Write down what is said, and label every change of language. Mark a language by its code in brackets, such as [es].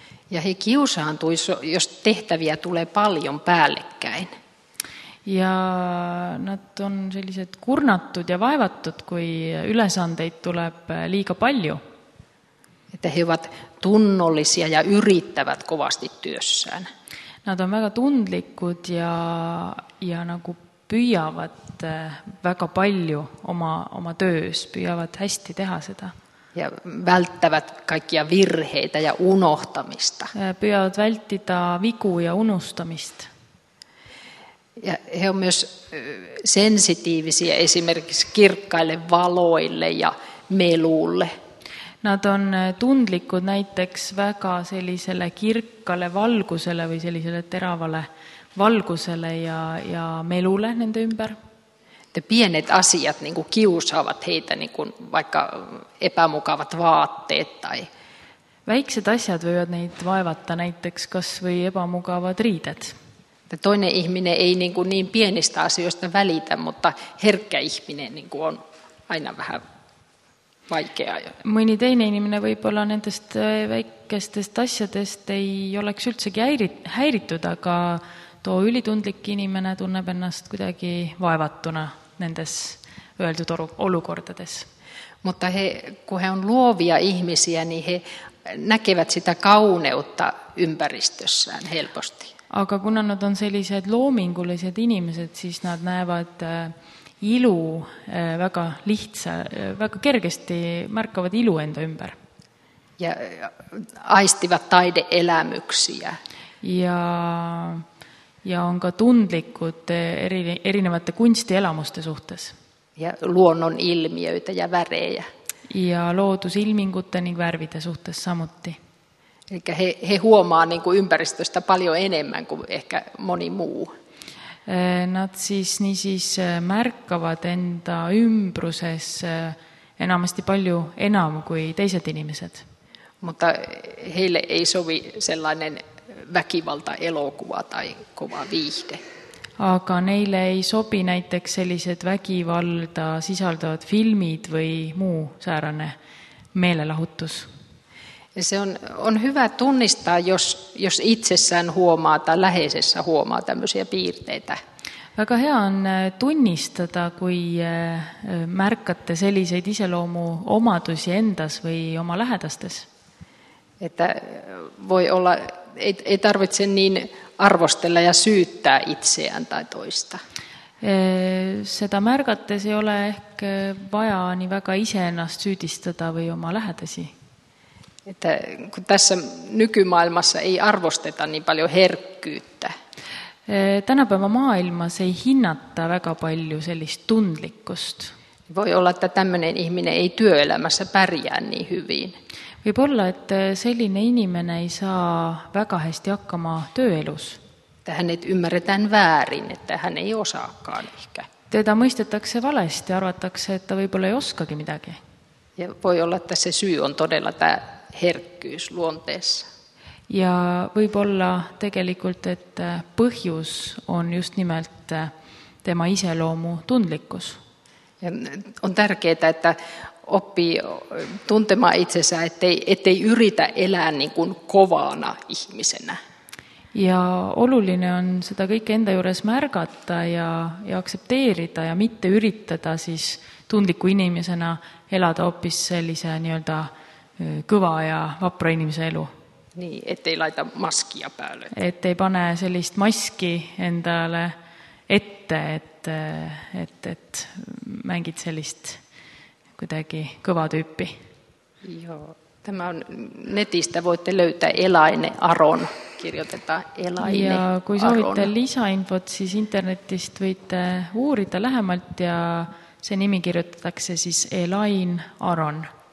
[fi] Ja he kiusaantui, jos tehtäviä tulee paljon päällekkäin. [et] Ja nad on sellised kurnatud ja vaevatud, kui ülesandeid tuleb liiga palju. [fi] Et he ovat tunnollisia ja yrittävät kovasti työssään. [et] Nad on väga tundlikud ja nagu püüavad väga palju oma töös, püüavad hästi teha seda. [fi] Ja välttävät kaikkia virheitä ja unohtamista. [et] Püüavad vältida vigu ja unustamist. [fi] Ja he on myös sensitiivisiä esimerkiksi kirkkaille valoille ja melulle. [et] Nad on tundlikud näiteks väga sellisele kirkkale valgusele või sellisele teravale valgusele ja melule nende ümber. [fi] Te pienet asiat niin kuin kiusaavat heitä niin kuin vaikka epämukavat vaatteet tai. [et] Väiksed asjad võivad neid vaevata näiteks kas või epämukavad riided. [fi] Toinen ihminen ei niin, kuin niin pienistä asioista välitä, mutta herkkä ihminen niin kuin on aina vähän vaikea. [et] Mõni teine ihminen võib-olla nendest väikestest asjadest ei oleks üldsegi häiritud, aga tuo ülitundlik inimene tunneb ennast kuidagi vaevatuna nendes öeldud olukordades. [fi] Mutta kun he on luovia ihmisiä, niin he näkevät sitä kauneutta ympäristössään helposti. [et] Aga kuna nad on sellised loomingulised inimesed, siis nad näevad ilu väga lihtsa, väga kergesti märkavad ilu enda ümber. [fi] Ja aistivad taideelämyksiä. [et] ja on ka tundlikud erinevate kunstielamuste suhtes. [fi] Ja luonnon ilmiöitä ja värejä. [et] Ja loodusilmingute ning värvide suhtes samuti. [fi] Eli he huomaa niin kuin ympäristöstä paljon enemmän kuin ehkä moni muu. [et] Nad siis nii siis märkavad enda ümbruses enamasti palju enam kuin teised inimesed. [fi] Mutta heille ei sovi sellainen väkivaltaelokuva tai kova viihde. [et] Aga neile ei sobi näiteks sellised vägivalda sisaldavad filmid või muu säärane meelelahutus. [fi] Ja se on hyvä tunnistaa, jos itsessään huomaa tai läheisessä huomaa tämmöisiä piirteitä. [et] Väga hea on tunnistada, kui märkate selliseid iseloomu omadusi endas või oma lähedastes. [fi] Että voi olla, ei tarvitse niin arvostella ja syyttää itseään tai toista. [et] Seda märgates ei ole ehk vaja nii väga ise ennast süüdistada või oma lähedasi. [fi] Että kun tässä nykymaailmassa ei arvosteta niin paljon herkkyyttä. [et] Tänäpäivä maailmassa ei hinnata väga palju sellist tundlikkust. [fi] Voi olla, että tämmöinen ihminen ei työelämässä pärjää niin hyvin. [et] Võib olla, et selline inimene ei saa väga hästi hakkama tööelus. [fi] Hänet ymmärretään väärin, että hän ei osaakaan ehkä. [et] Teda mõistetakse valesti, arvatakse, et ta võibolla ei oskagi midagi. [fi] Ja voi olla, et see syy on todella tää herkkyys luonteessa. [et] Ja võibolla tegelikult, et põhjus on just nimelt tema iseloomu tundlikkus. [fi] Ja on tärkeää, että oppii tuntemaan itsensä, ettei yritä elää niin kuin kovana ihmisenä. [et] Ja oluline on seda kõike enda juures märgata ja aksepteerida ja mitte üritada siis tundliku inimesena elada oppis sellise nii-öelda kõva ja vapra inimese elu. [fi] Nii, ettei laita maskia päälle. [et] Ettei pane sellist maski endale ette, et mängid sellist kuidagi kõva tüüpi. [fi] Joo, tämä on netistä voitte löytää Elaine Aron, kirjoitetaan Elaine Aron. [et] Ja kui soovite lisainfot, siis internetist võite uurida lähemalt ja see nimi kirjutatakse siis Elaine Aron.